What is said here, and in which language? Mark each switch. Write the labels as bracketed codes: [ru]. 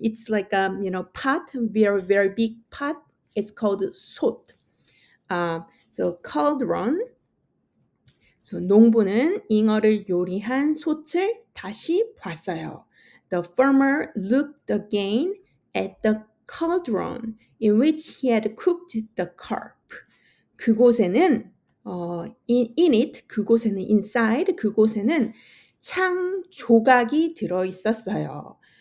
[en] It's like a you know pot, very very big pot. It's called 솥. So cauldron. [ko] So, 농부는 잉어를 요리한 솥을 다시 봤어요. [en] The farmer looked again at the cauldron in which he had cooked the carp. [ko] 그곳에는, in it, 그곳에는, inside, 그곳에는 창 조각이 들어있었어요.